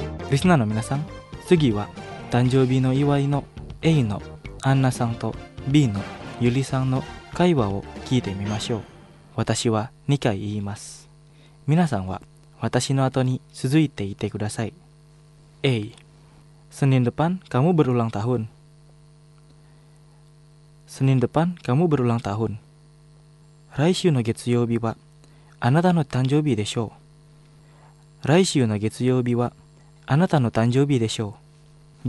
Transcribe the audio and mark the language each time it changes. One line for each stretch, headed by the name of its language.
Japanese: リスナーの皆さん、次は誕生日の祝いの A のアンナさんと B のユリさんの会話を聞いてみましょう。私は2回言います。皆さんは私の後に続いていてください。 A.
Indonesian: Senin depan kamu berulang tahun. Senin depan kamu berulang tahun.
Japanese: 来週の月曜日はあなたの誕生日でしょう。来週の月曜日はあなたの誕生日でしょう。